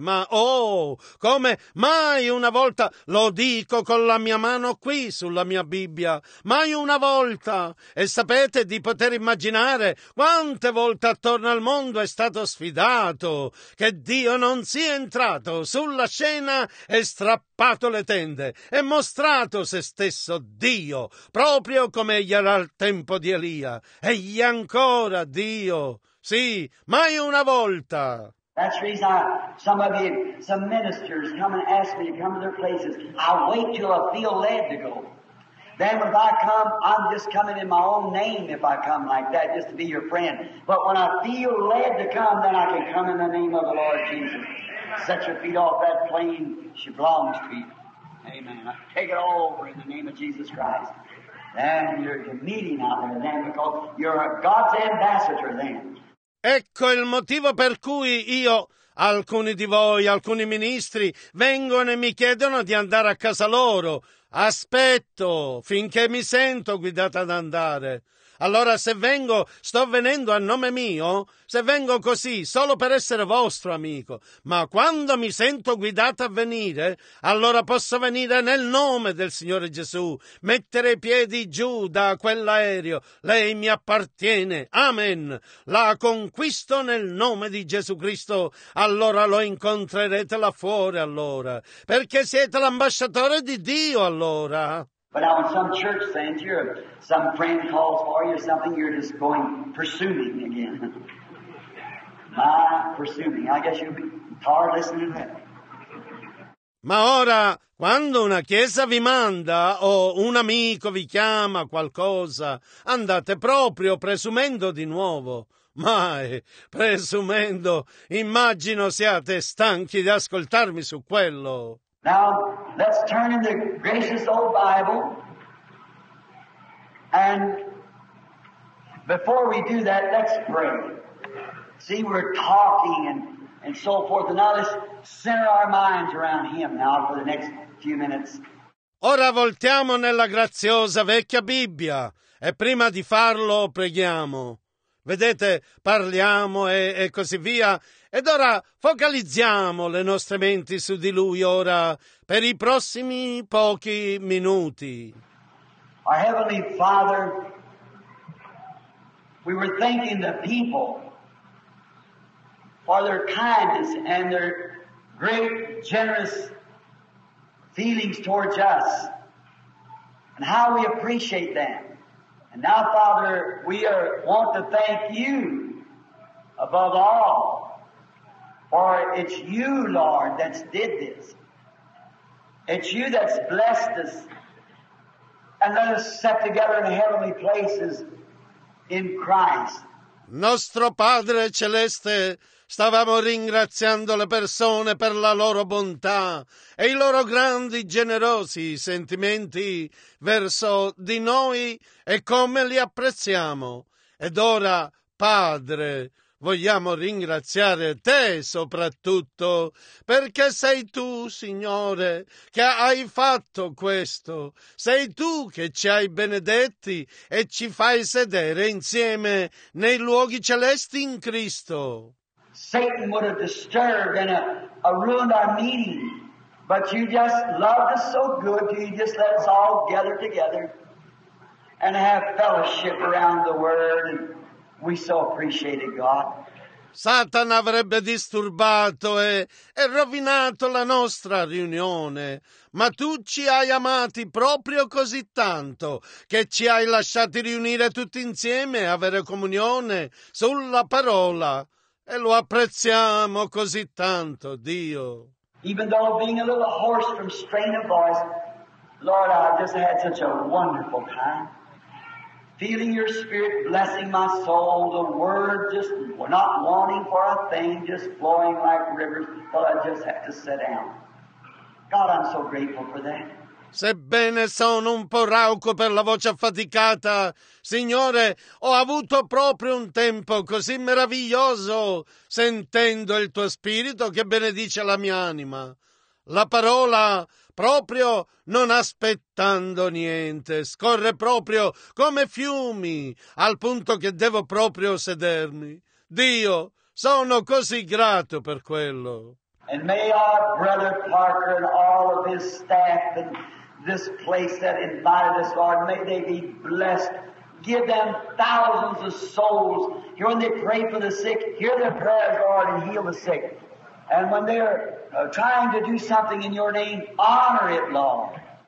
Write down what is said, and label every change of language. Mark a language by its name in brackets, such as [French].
[Italian] Ma oh, come mai una volta, lo dico con la mia mano qui sulla mia Bibbia, mai una volta, e sapete di poter immaginare quante volte attorno al mondo è stato sfidato, che Dio non sia entrato sulla scena e strappato le tende e mostrato se stesso Dio, proprio come gli era al tempo di Elia. E gli ancora ora Dio, sì, mai una volta. [English] That's the reason some of you, some ministers come and ask me to come to their places. I wait till I feel led to go. Then when I come, I'm just coming in my own name if I come like that, just to be your friend. But when I feel led to come, then I can come in the name of the Lord Jesus. Set your feet off that plane, she belongs to you. Amen. Take it all over in the name of Jesus Christ. And you're meeting out in the name of God. You're a God's ambassador then. [Italian] Ecco il motivo per cui io, alcuni di voi, alcuni ministri, vengono e mi chiedono di andare a casa loro. Aspetto finché mi sento guidata ad andare. Allora se vengo, sto venendo a nome mio, se vengo così, solo per essere vostro amico, ma quando mi sento guidato a venire, allora posso venire nel nome del Signore Gesù, mettere i piedi giù da quell'aereo, lei mi appartiene, amen, la conquisto nel nome di Gesù Cristo, allora lo incontrerete là fuori, allora, perché siete l'ambasciatore di Dio, allora. [English] But now when some church sends you, or some friend calls for you or something, you're just going pursuing again. My pursuing. I guess you'll be tired listening to that. [Italian] Ma ora, quando una chiesa vi manda o un amico vi chiama qualcosa, andate proprio presumendo di nuovo. Mai, presumendo, immagino siate stanchi di ascoltarmi su quello. [English] Now, let's turn in the gracious old Bible, and before we do that, let's pray. See, we're talking and so forth, and now let's center our minds around Him now for the next few minutes. [Italian] Ora voltiamo nella graziosa vecchia Bibbia, e prima di farlo preghiamo. Vedete, parliamo e così via. Ed ora focalizziamo le nostre menti su di Lui ora per i prossimi pochi minuti. [English] Our Heavenly Father, we were thanking the people for their kindness and their great generous feelings towards us and how we appreciate them. And now, Father, want to thank You above all. For it's You, Lord, that's did this. It's You that's blessed us. And let us set together in heavenly places in Christ. [Italian] Nostro Padre Celeste, stavamo ringraziando le persone per la loro bontà e i loro grandi generosi sentimenti verso di noi e come li apprezziamo. Ed ora, Padre, vogliamo ringraziare Te soprattutto, perché sei Tu, Signore, che hai fatto questo. Sei Tu che ci hai benedetti e ci fai sedere insieme nei luoghi celesti in Cristo. [English] Satan would have disturbed and ruined our meeting, but You just loved us so good, You just let us all gather together and have fellowship around the Word. We so appreciate it, God. [Italian] Satan avrebbe disturbato e rovinato la nostra riunione, ma Tu ci hai amati proprio così tanto che ci hai lasciati riunire tutti insieme e avere comunione sulla parola. E lo apprezziamo così tanto, Dio. [English] Even though being a little hoarse from strain of voice, Lord, I've just had such a wonderful time. Feeling Your Spirit blessing my soul, the Word just not wanting for a thing, just flowing like rivers, but I just have to sit down. God, I'm so grateful for that. [Italian] Sebbene sono un po' rauco per la voce affaticata, Signore, ho avuto proprio un tempo così meraviglioso sentendo il Tuo Spirito che benedice la mia anima. la parola proprio non aspettando niente, scorre proprio come fiumi, al punto che devo proprio sedermi. Dio, sono così grato per quello. [English] And may our brother Parker and all of his staff and this place that invited us, Lord, may they be blessed. Give them thousands of souls. Here when they pray for the sick, hear their prayers, Lord, and heal the sick. And when they're trying to do something in your name, honor it, Lord.